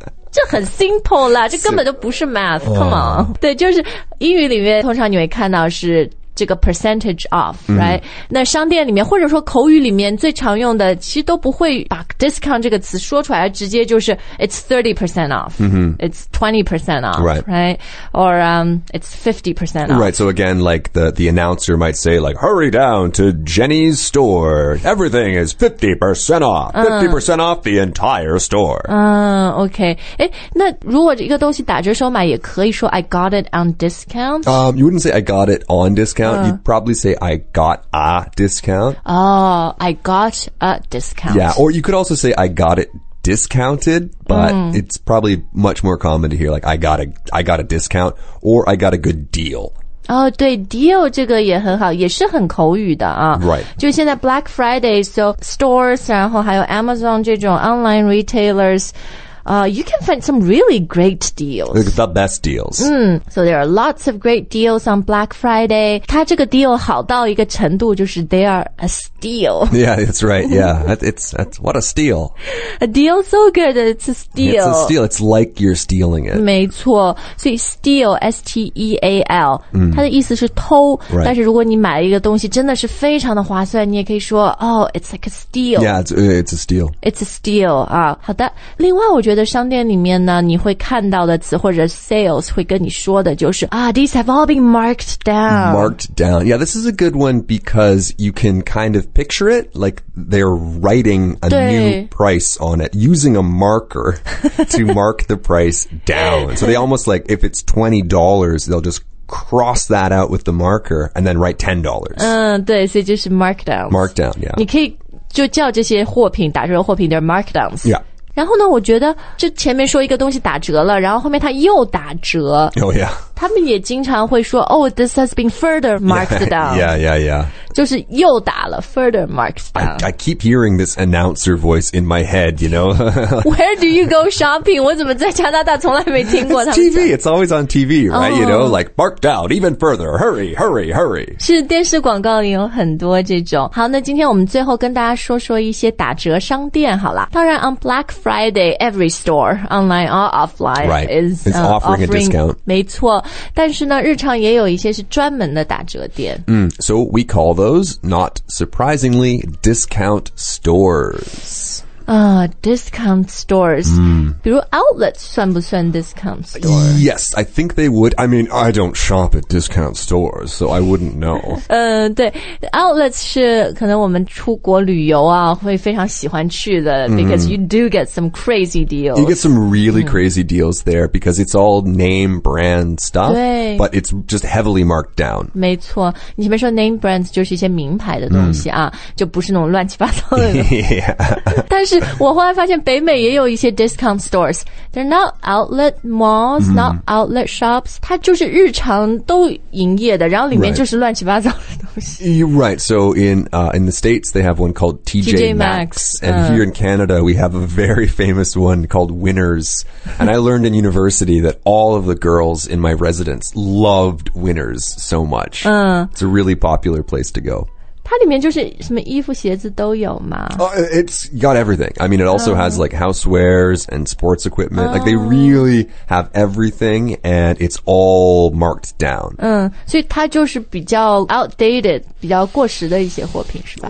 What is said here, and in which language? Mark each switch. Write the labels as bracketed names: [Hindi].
[Chinese] 这很 simple 啦，这根本就不是 math. [English] Come on.、 [Chinese] 对，就是英语里面通常你会看到是这个 [English] percentage off, right?、 [Chinese] Mm. 那商店里面或者说口语里面最常用的其实都不会把 discount 这个词说出来，直接就是 [English] it's 30% off,、 mm-hmm. it's 20% off, right? Right? Or、it's 50% off. Right, so again, like the announcer might say, like, hurry down to Jenny's store. Everything is 50% off. 50% off the entire store. Okay. [Chinese] 那如果一个东西打折时候买也可以说 [English] I got it on discount?、 You wouldn't say I got it on discount. You'd probably say, I got a discount. Oh, I got a discount. Yeah, or you could also say, I got it discounted, but、mm. it's probably much more common to hear, like, I got a discount, or I got a good deal. [Chinese] Oh, 对 deal 这个也很好也是很口语的啊 [English] Right. [Chinese] 就现在 [English] Black Friday, so stores, [Chinese] 然后还有 [English] Amazon [Chinese] 这种 [English] online retailers,you can find some really great deals. Like the best deals. Mm, so there are lots of great deals on Black Friday. [Chinese] 它这个 deal 好到一个程度就是 [English] they are a steal. Yeah, that's right. Yeah, it's what a steal. A deal so good that it's a steal. It's a steal. It's like you're stealing it. [Chinese] 没错。所以 steal, S-T-E-A-L,、 mm. 它的意思是偷、 [English] right. [Chinese] 但是如果你买了一个东西真的是非常的划算你也可以说 [English] oh, it's like a steal. Yeah, it's a steal. It's a steal. [Chinese] 好的。另外我觉得商店里面呢你会看到的词或者 sales 会跟你说的就是啊 [English] these have all been marked down. Marked down. Yeah, this is a good one because you can kind of picture it like they're writing a new price on it using a marker to mark the price down. So they almost like if it's $20, they'll just cross that out with the marker and then write $10. [Chinese] 对所以就是 markdown. [English] Markdown, yeah. [Chinese] 你可以就叫这些货品打折货品 [English] they're markdowns. Yeah. [Chinese] 然后呢我觉得就前面说一个东西打折了然后后面它又打折。 [English] Oh, yeah. [Chinese] 他们也经常会说 [English] Oh, this has been further marked down. Yeah, yeah, yeah. [Chinese] 就是又打了 [English] further marked down. I keep hearing this announcer voice in my head, you know. Where do you go shopping? [Chinese] 我怎么在加拿大从来没听过他们 [English] TV, it's always on TV, right?、Oh. You know, like marked out even further. Hurry, hurry, hurry. [Chinese] 是电视广告里有很多这种。好那今天我们最后跟大家说说一些打折商店好了。当然 on Black Friday, [English] Friday, every store, online or offline, right, is offering a discount. [Chinese] 没错，但是呢，日常也有一些是专门的打折店。 [English] 嗯，so we call those, not surprisingly, discount stores. Discount stores.、 Mm. [Chinese] 比如 outlets 算不算 discount stores? [English] Yes, I think they would. I mean, I don't shop at discount stores, so I wouldn't know. [Chinese] 对 ,outlets 是可能我们出国旅游啊会非常喜欢去的、mm. [English] because you do get some crazy deals. You get some really、mm. crazy deals there because it's all name brand stuff, [Chinese] 对 [English] but it's just heavily marked down. [Chinese] 没错你前面说 name brands 就是一些名牌的东西啊、mm. 就不是那种乱七八糟的。 [English] Yeah. [Chinese] 是我后来发现北美也有一些 discount stores. [English] They're not outlet malls,、mm-hmm. not outlet shops. [Chinese] 它就是日常都营业的然后里面就是乱七八糟的东西。 [English] You're right. So in the States, they have one called TJ Maxx. And、here in Canada, we have a very famous one called Winners. And I learned in university that all of the girls in my residence loved Winners so much.、It's a really popular place to go. [Chinese] 它里面就是什么衣服鞋子都有吗、 [English] It's got everything. I mean, it also has like housewares and sports equipment. Like they really have everything and it's all marked down. [Chinese] 嗯，所以它就是比较 outdated, 比较过时的一些货品是吧